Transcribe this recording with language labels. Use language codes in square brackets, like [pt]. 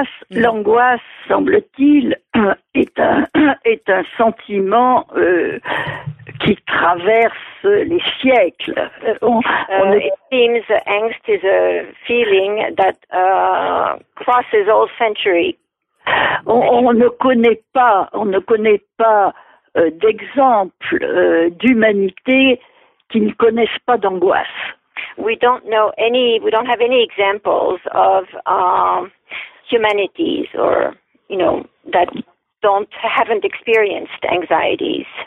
[fr] L'angoisse, semble-t-il, est un sentiment qui traverse les siècles. [en] Seems angst is a feeling that crosses all centuries. [fr] On ne connaît pas d'exemple d'humanité qui ne connaissent pas d'angoisse. [en] We don't have any examples of humanities or that haven't experienced anxieties.